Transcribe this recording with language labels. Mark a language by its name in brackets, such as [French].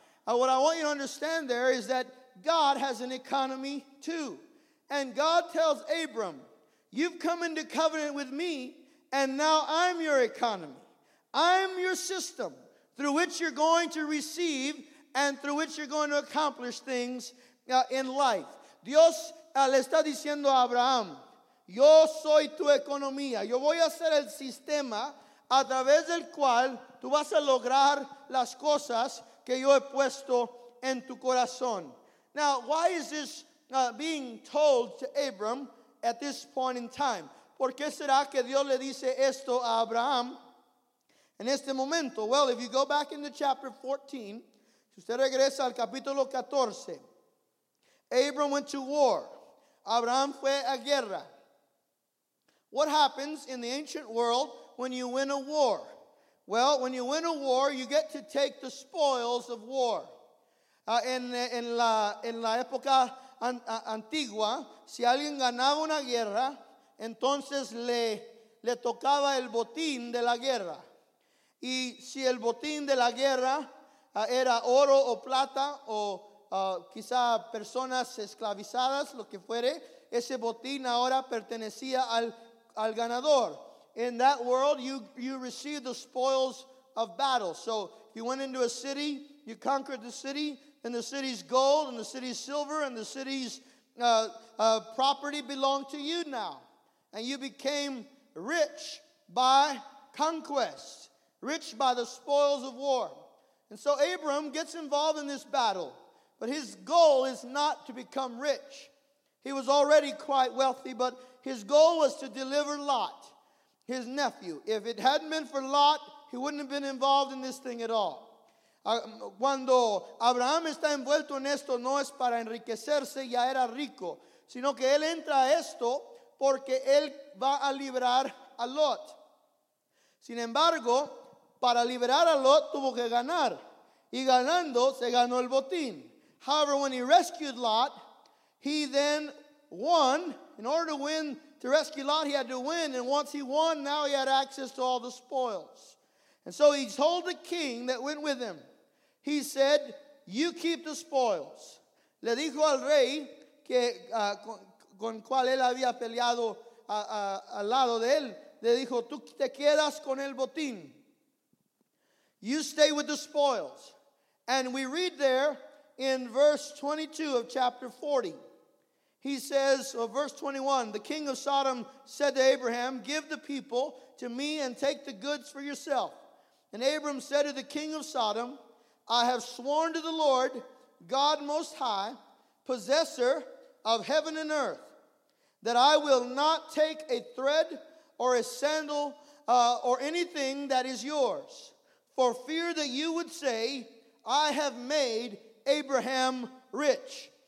[English] What I want you to understand there is that God has an economy too. And God tells Abram, you've come into covenant with me, and now I'm your economy. I'm your system. through which you're going to receive and through which you're going to accomplish things in life. [Spanish] Dios le está diciendo a Abraham, yo soy tu economía. Yo voy a ser el sistema a través del cual tú vas a lograr las cosas que yo he puesto en tu corazón. [English] Now, why is this being told to Abram at this point in time? [Spanish] ¿Por qué será que Dios le dice esto a Abraham en este momento? [English] Well, if you go back into chapter 14, [Spanish] si usted regresa al capítulo 14, [English] Abram went to war. [Spanish] Abraham fue a guerra. [English] What happens in the ancient world when you win a war? Well, when you win a war, you get to take the spoils of war. [Spanish] En la época antigua, si alguien ganaba una guerra, entonces le tocaba el botín de la guerra. Y si el botín de la guerra era oro o plata o quizá personas esclavizadas, lo que fuere, ese botín ahora pertenecía al ganador. [English] In that world, you receive the spoils of battle. So if you went into a city, you conquered the city, and the city's gold and the city's silver and the city's property belonged to you now. And you became rich by conquest, rich by the spoils of war. And so Abram gets involved in this battle, but his goal is not to become rich. He was already quite wealthy, but his goal was to deliver Lot, his nephew. If it hadn't been for Lot, he wouldn't have been involved in this thing at all. [Spanish] Cuando Abraham está envuelto en esto, no es para enriquecerse, ya era rico, sino que él entra a esto porque él va a liberar a Lot. Sin embargo, para liberar a Lot tuvo que ganar, y ganando se ganó el botín. [English] However, when he rescued Lot, he then won. In order to win, to rescue Lot, he had to win. And once he won, now he had access to all the spoils. And so he told the king that went with him. He said, you keep the spoils. [Spanish] Le dijo al rey que con cual él había peleado al lado de él. Le dijo, tú te quedas con el botín. [English] You stay with the spoils. And we read there in verse 22 of chapter 40. He says, verse 21, the king of Sodom said to Abraham, give the people to me and take the goods for yourself. And Abram said to the king of Sodom, I have sworn to the Lord, God Most High, possessor of heaven and earth, that I will not take a thread or a sandal or anything that is yours, for fear that you would say, I have made Abraham rich.